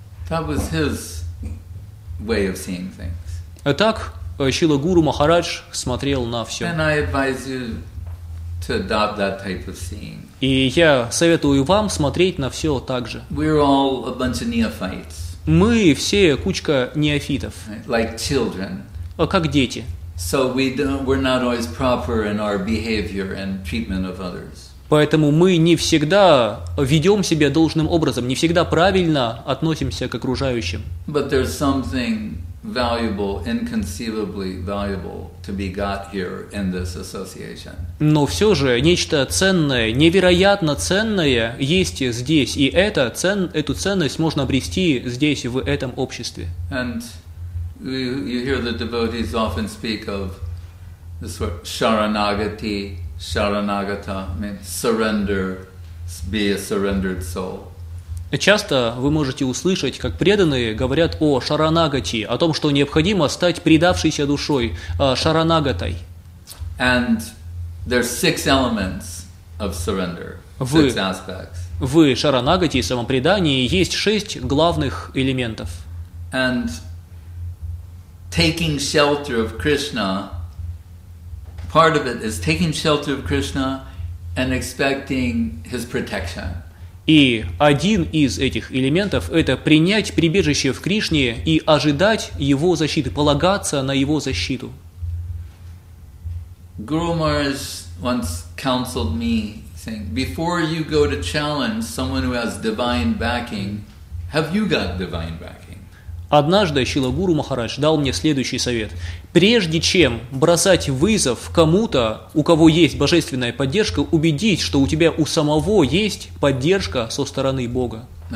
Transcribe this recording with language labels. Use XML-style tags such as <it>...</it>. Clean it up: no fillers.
<en>That was his way of seeing things.</en> <ru>Так Шрила Гуру Махарадж смотрел на все.</ru> <en>And I advise you to adopt that type of seeing.</en> <ru>И я советую вам смотреть на все так же.</ru> <en>We're all a bunch of neophytes.</en> <ru>Мы все кучка неофитов.</ru> <en>Like children.</en> <ru>Как дети.</ru> <en>So we're not always proper in our behavior and treatment of others.</en> <ru>Поэтому мы не всегда ведем себя должным образом, не всегда правильно относимся к окружающим.</ru> <en>But there's something valuable, inconceivably valuable, to be got here in this association.</en> <ru>Но все же нечто ценное, невероятно ценное есть здесь, и эту ценность можно обрести здесь, в этом обществе.</ru> <en>And you hear the devotees often speak of this word, sharanagati, sharanagata, means surrender, be a surrendered soul.</en> <ru>Часто вы можете услышать, как преданные говорят о шаранагати, о том, что необходимо стать предавшейся душой, шаранагатой.</ru> <en>And there are six elements of surrender, six aspects.</en> <ru>В шаранагати, самопредании, есть шесть главных элементов.</ru> <en>And taking shelter of Krishna, part of it is taking shelter of Krishna and expecting his protection.</en> <ru>И один из этих элементов – это принять прибежище в Кришне и ожидать Его защиты, полагаться на Его защиту.</ru> <en>Guru Maharaj once counseled me, saying, before you go to challenge someone who has divine backing, have you got divine backing?</en> <ru>Однажды Шрила Гуру Махарадж дал мне следующий совет. Прежде чем бросать вызов кому-то, у кого есть божественная поддержка, убедись, что у тебя у самого есть поддержка со стороны Бога.</ru>